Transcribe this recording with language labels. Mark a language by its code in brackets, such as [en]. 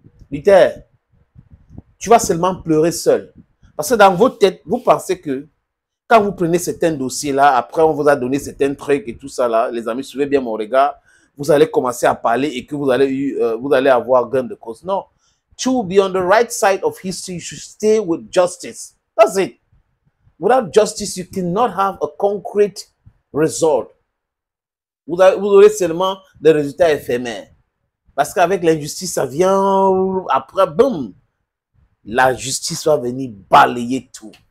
[fr] Luther, tu vas seulement pleurer seul. Parce que dans vos têtes, vous pensez que quand vous prenez certains dossiers-là, après on vous a donné certains trucs et tout ça là, les amis, suivez bien mon regard, vous allez commencer à parler et que vous allez avoir gain de cause. Non. [en] To be on the right side of history, you should stay with justice. That's it. Without justice, you cannot have a concrete result. [fr] Vous aurez seulement des résultats éphémères. Parce qu'avec l'injustice, ça vient après, boum, la justice va venir balayer tout.